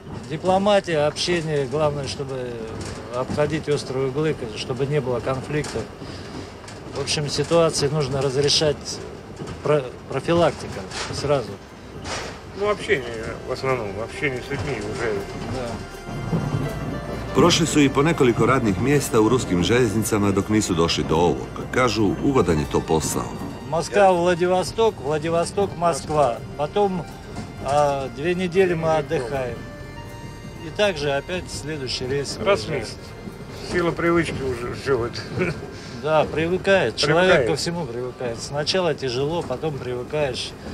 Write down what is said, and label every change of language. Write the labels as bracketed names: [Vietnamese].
[Russian] Дипломатия, общение, главное, чтобы обходить острые углы, чтобы не было конфликтов. В общем, ситуации нужно разрешать профилактика сразу. Ну, общение в основном, общение с людьми уже. Да. [Croatian] Prošli su i po nekoliko radnih mjesta u ruskim željeznicama dok nisu došli do ovog. Kažu, ugodan je to posao. [Russian] Москва, Владивосток, Владивосток, Москва. Потом 2 недели мы отдыхаем. И также опять следующий рейс. Раз в месяц. Сила привычки уже живет. Да, привыкает. Человек ко всему привыкает. Сначала тяжело, потом привыкаешь.